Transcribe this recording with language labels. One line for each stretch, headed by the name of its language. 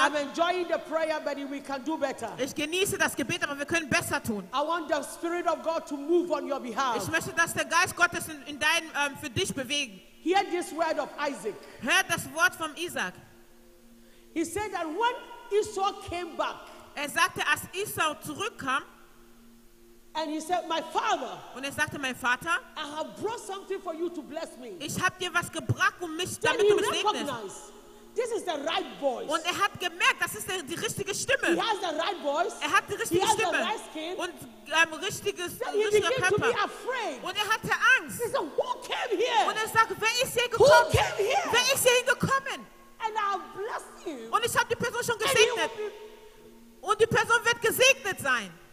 English: I'm enjoying the prayer, but we can do better.
German: Ich genieße das Gebet, aber wir können besser tun.
English: I want the Spirit of God to move on your behalf.
German: Ich möchte, dass der Geist Gottes in dein für dich bewegen.
English: Hear this word of Isaac.
German: Hör das Wort vom Isaac.
English: He said that when Esau came back.
German: Er sagte, als Esau zurückkam.
English: And he said, "My father."
German: Und er sagte, mein Vater.
English: I have brought something for you to bless me.
German: Ich hab dir was gebracht, um mich damit zu segnen.
English: Then he recognized, this is the right voice.
German: Und er hat gemerkt, das ist die richtige Stimme.
English: He has the right voice.
German: Er hat die richtige Stimme.
English: He has the right skin.
German: Und richtiges,
English: then he began to be afraid.
German: Und er hatte Angst.
English: He said, "Who came here?"
German: Und er sagt, wer ist hier gekommen?
English: Who came here?
German: Wer ist hier gekommen?
English: And I have blessed you.
German: Und ich hab die Person schon gesegnet. Und die Person wird gesegnet sein.